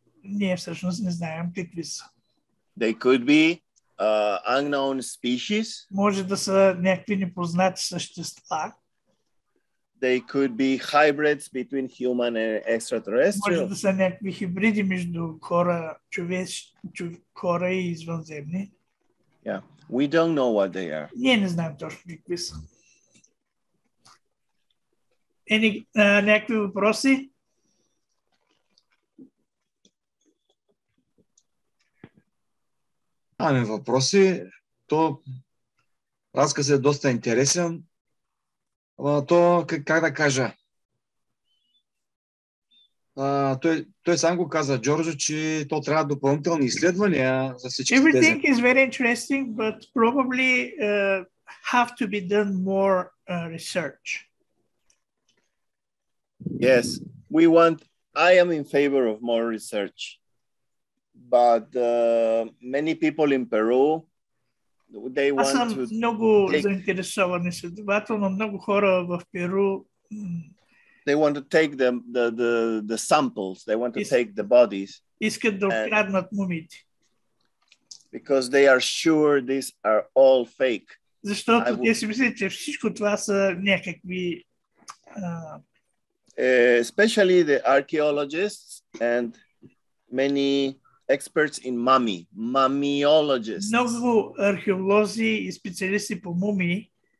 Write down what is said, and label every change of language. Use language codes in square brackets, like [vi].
[bg] Ние всъщност не знаем какви са. [en] They could be unknown species. [bg] Може да са някакви непознати същества. [en] They could be hybrids between human and extraterrestrial. [bg] Може да са някакви хибриди между хора, хора и извънземни. [en] Yeah, we don't know what they are. [bg] Ние не знаем точно какви са. Някакви въпроси? Ами въпроси, то разказът е доста интересен. А то, как да кажа, той сам го каза, Джорджо, че то трябва допълнителни изследвания за всички тези. [en] Everything is very interesting, but probably have to be done more research. Yes, we want, I am in favor of more research. But many people in Peru, they want to... [bg] Аз съм много заинтересован изследовател, но много хора в Перу... [en] They want to take the samples, they want to take the bodies. [bg] Искат да откраднат мумиите. [en] Because they are sure these are all fake. [bg] Защото те си мислят, че всичко това са някакви... [en] Especially the archaeologists and many... Experts in mummy, mummyologists. [bg] Много археолози и специалисти по мумии.